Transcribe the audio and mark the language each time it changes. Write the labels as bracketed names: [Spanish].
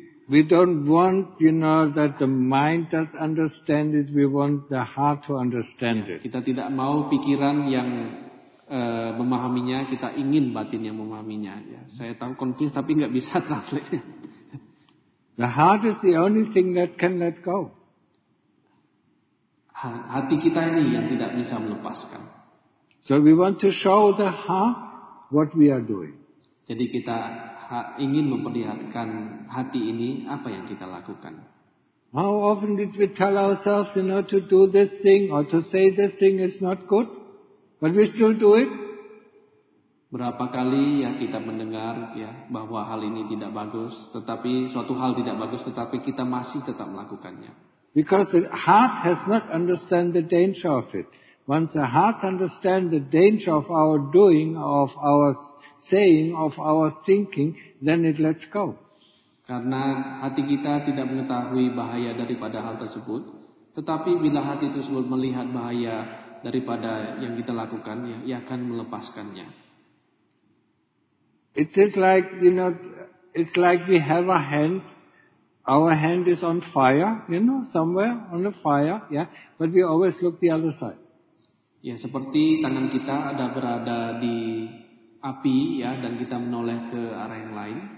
[English] We don't want, you know, that the mind does understand it. We want the heart to understand it. [Indonesian] Kita tidak mau pikiran yang memahaminya. Kita ingin batin yang memahaminya. Ya, saya tahu confused, tapi enggak bisa translate. [English] The heart is the only thing that can let go. [Indonesian] Hati kita ini yang tidak bisa melepaskan. [English] So we want to show the heart what we are doing. [Indonesian] Jadi kita ingin memperlihatkan hati ini apa yang kita lakukan. [English] How often did we tell ourselves, you know, to do this thing or to say this thing is not good, but we still do it? [Indonesian] Berapa kali ya kita mendengar ya bahwa hal ini tidak bagus, tetapi suatu hal tidak bagus, tetapi kita masih tetap melakukannya. [English] Because the heart has not understand the danger of it. Once the heart understands the danger of our doing, of our saying, of our thinking, then it lets go. [Indonesian] Karena hati kita tidak mengetahui bahaya daripada hal tersebut, tetapi bila hati itu sudah melihat bahaya daripada yang kita lakukan, ya, ia akan melepaskannya. [English] It is like, you know, it's like we have a hand. Our hand is on fire, you know, somewhere on the fire, yeah, but we always look the other side. [Indonesian] Ya, seperti tangan kita ada berada di api, ya, dan kita menoleh ke arah yang lain.